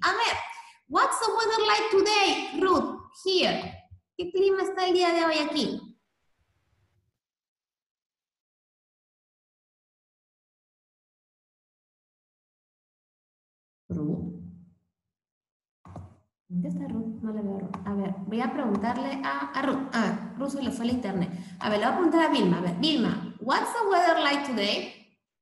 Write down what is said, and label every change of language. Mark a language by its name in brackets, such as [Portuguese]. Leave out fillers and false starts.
[Spanish] A ver, [English] what's the weather like today, Ruth, here? [Spanish] ¿Qué clima está el día de hoy aquí? Ruth. ¿Dónde está Ruth? No le veo a Ruth. A ver, voy a preguntarle a Ruth. A ver, Ruth se le fue al internet. A ver, le voy a preguntar a Vilma. A ver, [English] Vilma, what's the weather like today?